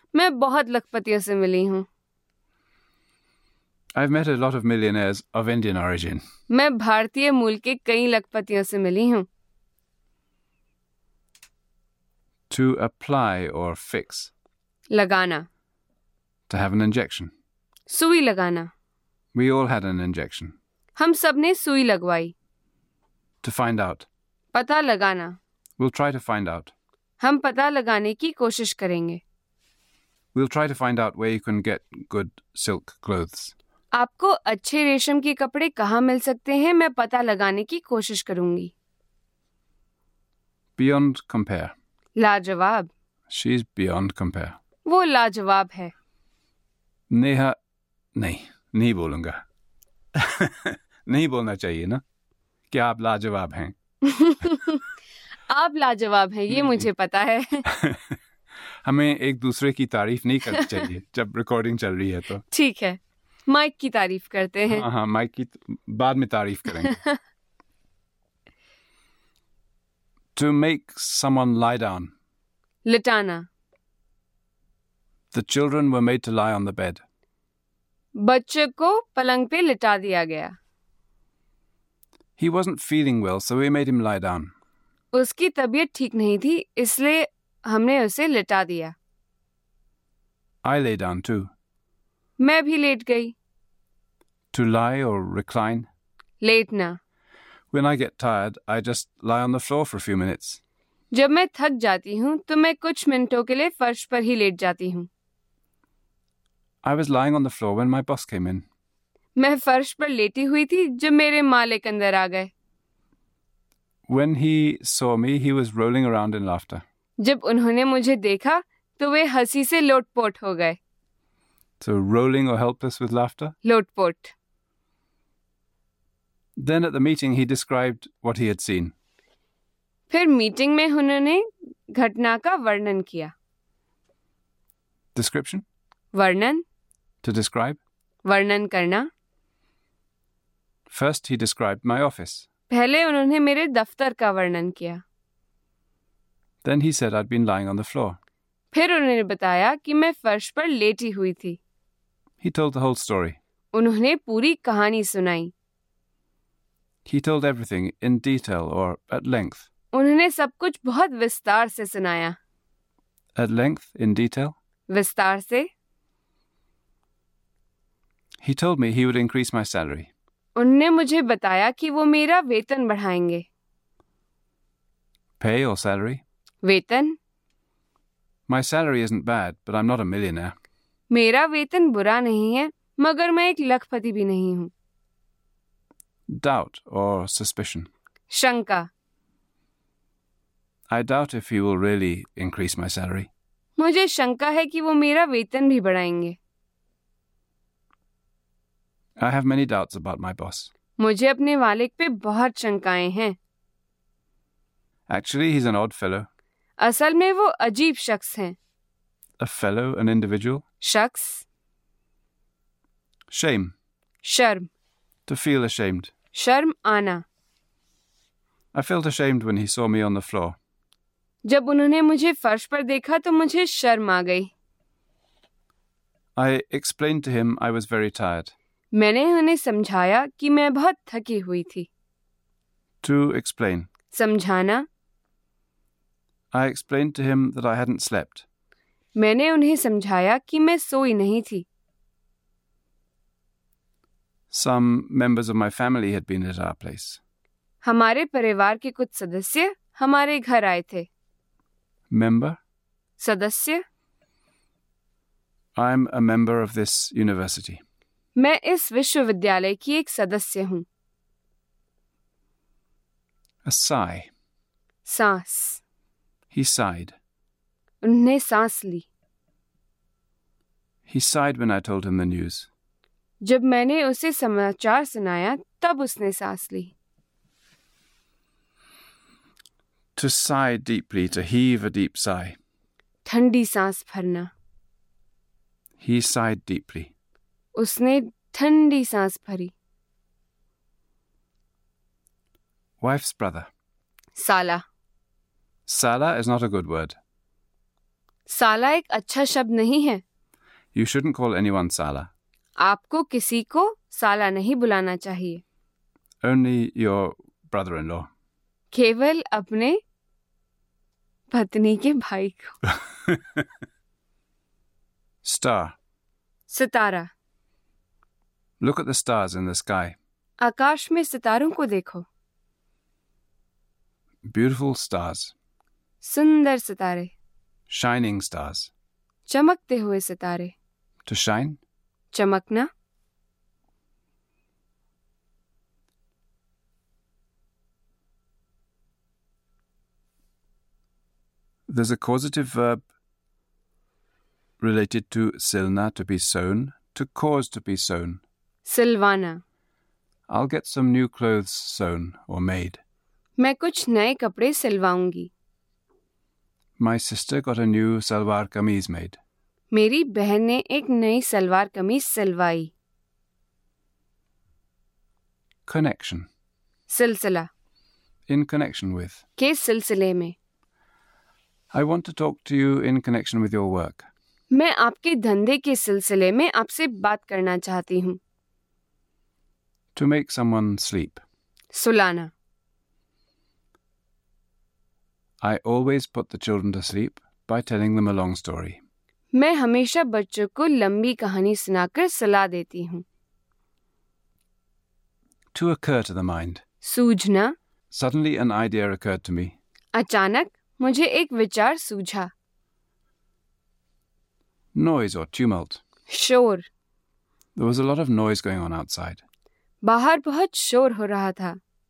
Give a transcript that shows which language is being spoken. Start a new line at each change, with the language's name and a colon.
Hindi: मैं बहुत लखपतियों से मिली हूँ.
English: I've met a lot of millionaires of Indian origin.
Hindi: मैं भारतीय मूल के कई लखपतियों से मिली हूँ.
English: To apply or fix.
Hindi: लगाना.
English: To have an injection.
Hindi: सुई लगाना.
English: We all had an injection.
Hindi: हम सब ने सुई लगवाई.
English: To find out.
Hindi: पता लगाना.
English: We'll try to find out.
Hindi: हम पता लगाने की कोशिश करेंगे.
English: We'll try to find out where you can get good silk clothes.
Hindi: आपको अच्छे रेशम के कपड़े कहाँ मिल सकते हैं, मैं पता लगाने की कोशिश करूंगी.
English: Beyond compare.
Hindi: लाजवाब.
English: She's beyond compare.
Hindi: वो लाजवाब है. नेहा. नहीं बोलूंगा. नहीं बोलना चाहिए ना कि आप लाजवाब हैं. आप लाजवाब हैं, ये मुझे पता है. हमें एक दूसरे की तारीफ नहीं करनी चाहिए जब रिकॉर्डिंग चल रही है तो. ठीक है, माइक की तारीफ करते हैं. हाँ हाँ, माइक की बाद में तारीफ करेंगे.
English: To make someone lie down.
Hindi: लिटाना.
English: The children were made to lie on the bed.
Hindi: बच्चे को पलंग पे लिटा दिया गया.
English: He wasn't feeling well, so we made him lie down.
Hindi: उसकी तबीयत ठीक नहीं थी, इसलिए हमने उसे लिटा दिया.
English: I lay down too.
Hindi: मैं भी लेट गई.
English: To lie or recline.
Hindi: लेटना.
English: When I get tired, I just lie on the floor for a few minutes.
Hindi: जब मैं थक जाती हूँ, तो मैं कुछ मिनटों के लिए फर्श पर ही लेट जाती हूँ.
English: I was lying on the floor when my boss came in.
Hindi: मैं फर्श पर लेटी हुई थी जब मेरे मालिक अंदर आ गए.
English: When he saw me, he was rolling around in laughter.
Hindi: जब उन्होंने मुझे देखा, तो वे हंसी से लोटपोट हो गए.
English: So rolling or helpless with laughter?
Hindi: Lotpot.
English: Then at the meeting, he described what he had seen.
Hindi: फिर मीटिंग में उन्होंने घटना का वर्णन किया.
English: Description?
Hindi: वर्णन.
English: To describe?
Hindi: वर्णन करना.
English: First, he described my office.
Hindi: पहले उन्होंने मेरे दफ्तर का वर्णन किया.
English: Then he said I'd been lying on the floor.
Hindi: फिर उन्होंने बताया कि मैं फर्श पर लेटी हुई थी.
English: He told the whole story.
Hindi: उन्होंने पूरी कहानी सुनाई.
English: He told everything in detail or at length.
Hindi: उन्होंने सब कुछ बहुत विस्तार से सुनाया.
English: At length, in detail.
Hindi: विस्तार से.
English: He told me he would increase my salary.
Hindi: उन्होंने मुझे बताया कि वो मेरा वेतन बढ़ाएंगे.
English: Pay or salary?
Hindi: वेतन.
English: My salary isn't bad, but I'm not a millionaire.
Hindi: मेरा वेतन बुरा नहीं है, मगर मैं एक लखपति भी नहीं हूँ.
English: Doubt or suspicion?
Hindi: शंका.
English: I doubt if he will really increase my salary.
Hindi: मुझे शंका है कि वो मेरा वेतन भी बढ़ाएंगे.
English: I have many doubts about my boss.
Hindi: मुझे अपने वालिक पे बहुत शंकाएं हैं.
English: Actually, he's an odd fellow.
Hindi: असल में वो अजीब शख्स हैं.
English: A fellow, an individual?
Hindi: शख्स.
English: Shame.
Hindi: शर्म.
English: To feel ashamed.
Hindi: शर्म आना.
English: I felt ashamed when he saw me on the floor.
Hindi: जब उन्होंने मुझे फर्श पर देखा तो मुझे शर्म आ गई.
English: I explained to him I was very tired.
Hindi: मैंने उन्हें समझाया कि मैं बहुत थकी हुई थी.
English: To explain.
Hindi: समझाना.
English: I explained to him that I hadn't slept.
Hindi: मैंने उन्हें समझाया कि मैं सोई नहीं थी.
English: Some members of my family had been at our place.
Hindi: हमारे परिवार के कुछ सदस्य हमारे घर आए थे.
English: Member?
Hindi: सदस्य.
English: I'm a member of this university.
Hindi: मैं इस विश्वविद्यालय की एक सदस्य हूँ.
English: A sigh.
Hindi: सांस.
English: He sighed.
Hindi: उन्होंने सांस ली.
English: He sighed when I told him the news.
Hindi: जब मैंने उसे समाचार सुनाया तब उसने सांस ली.
English: To sigh deeply, to heave a deep sigh.
Hindi: ठंडी सांस भरना.
English: He sighed deeply.
Hindi: उसने ठंडी सांस भरी.
English: Wife's brother.
Hindi: साला.
English: साला is not a good word.
Hindi: साला एक अच्छा शब्द नहीं है.
English: You shouldn't call anyone Sala.
Hindi: आपको किसी को साला नहीं बुलाना चाहिए.
English: Only your brother-in-law.
Hindi: केवल अपने पत्नी के भाई को.
English: Star.
Hindi: Sitara.
English: Look at the stars in the sky.
Hindi: आकाश में सितारों को देखो.
English: Beautiful stars.
Hindi: सुंदर सितारे.
English: Shining stars.
Hindi: चमकते हुए सितारे.
English: To shine.
Hindi: चमकना.
English: There's a causative verb related to silna, to be sown, to cause to be sown.
Hindi: Silvana.
English: I'll get some new clothes sewn or made.
Hindi: मैं कुछ नए कपड़े सिलवाऊंगी.
English: My sister got a new salwar kameez made.
Hindi: मेरी बहन ने एक नई salwar kameez सिलवाई.
English: Connection.
Hindi: सिलसिला.
English: In connection with.
Hindi: के सिलसिले में.
English: I want to talk to you in connection with your work.
Hindi: मैं आपके धंधे के सिलसिले में आपसे बात करना चाहती हूँ.
English: To make someone sleep.
Hindi: सुलाना.
English: I always put the children to sleep by telling them a long story.
Hindi: मैं हमेशा बच्चों को लंबी कहानी सुनाकर सला देती हूँ.
English: To occur to the mind.
Hindi: सूझना.
English: Suddenly an idea occurred to me.
Hindi: अचानक मुझे एक विचार सूझा.
English: Noise or tumult.
Hindi: शोर.
English: There was a lot of noise going on outside.
Hindi: बाहर बहुत शोर हो रहा था.